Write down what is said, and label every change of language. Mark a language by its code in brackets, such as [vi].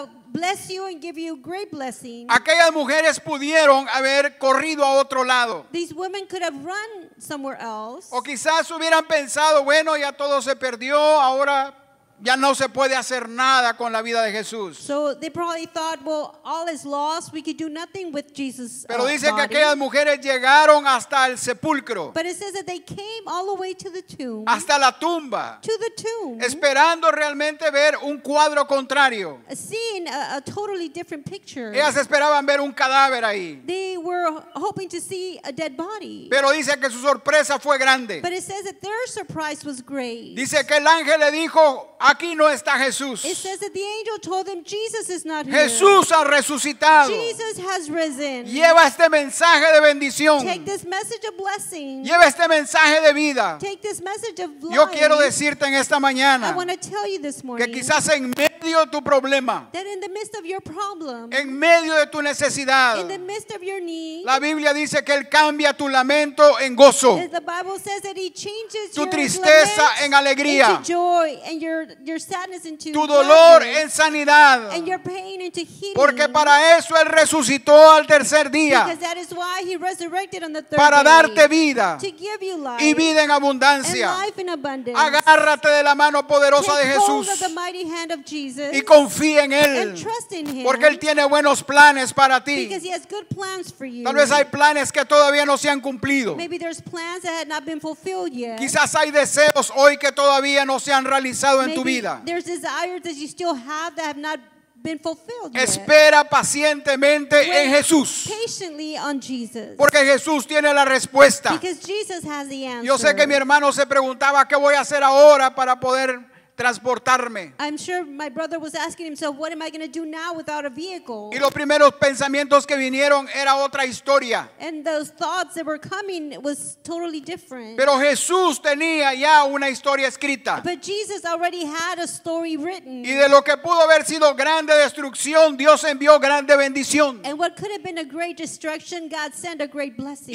[en] Bless you and give you great blessing. [es] Aquellas mujeres pudieron haber corrido a otro lado. [en] These women could have run somewhere else. [es] O quizás hubieran pensado, bueno, ya todo se perdió, ahora ya no se puede hacer nada con la vida de Jesús. [en] So they probably thought, well, all is lost. We could do nothing with Jesus. [es] Pero dice que aquellas mujeres llegaron hasta el sepulcro. [en] But it says that they came all the way to the tomb. [es] Hasta la tumba. [en] To the tomb. [es] Esperando realmente ver un cuadro contrario. [en] Seeing a totally different picture. [es] Ellas esperaban ver un cadáver ahí. [en] They were hoping to see a dead body. [es] Pero dice que su sorpresa fue grande. [en] But it says that their surprise was great. [es] Dice que el ángel le dijo, aquí no está Jesús. [en] It says that the angel told them Jesus is not here. [es] Jesús ha resucitado. [en] Jesus has risen. [es] Lleva este mensaje de bendición. [en] Take this message of blessing. [es] Lleva este mensaje de vida. [en] Take this message of life. [es] Yo quiero decirte en esta mañana, [en] I want to tell you this morning, [es] que quizás en medio de tu problema, [en] that in the midst of your problem, [es] en medio de tu necesidad, [en] in the midst of your need, [es] la Biblia dice que Él cambia tu lamento en gozo. [en] The Bible says that He changes [es] tu tristeza en alegría. [en] Into joy, and your sadness into [es] tu dolor en sanidad, [en] and your pain into healing. [es] Porque para eso Él resucitó al tercer día, [en] because that is why He resurrected on the third [es] para [en] day, [es] darte vida, [en] to give you life, [es] y vida en abundancia, [en] and life in abundance. [es] Agárrate de la mano poderosa [en] take [es] de Jesús [en] hold of the mighty hand of Jesus, [es] y confía en Él, [en] and trust in Him, [es] porque Él tiene buenos planes para ti, [en] because He has good plans for you. [es] Tal vez hay planes que todavía no se han cumplido. [en] Maybe there's plans that have not been fulfilled yet. [es] Quizás hay deseos hoy que todavía no se han realizado en tu vida. [en] There's desires that you still have that have not been fulfilled yet. [es] Espera pacientemente [en] wait [es] en Jesús. [en] Patiently on Jesus. [es] Porque Jesús tiene la respuesta. [en] Because Jesus has the answer. [es] Yo sé que mi hermano se preguntaba qué voy a hacer ahora para poder transportarme. [en] I'm sure my brother was asking himself, what am I going to do now without a vehicle? [es] Y los primeros pensamientos que vinieron era otra historia. [en] And those thoughts that were coming was totally different. [es] Pero Jesús tenía ya una historia escrita. [en] But Jesus already had a story written. [es] Y de lo que pudo haber sido grande destrucción, Dios envió grande bendición. [en] And what could have been a great destruction, God sent a great blessing.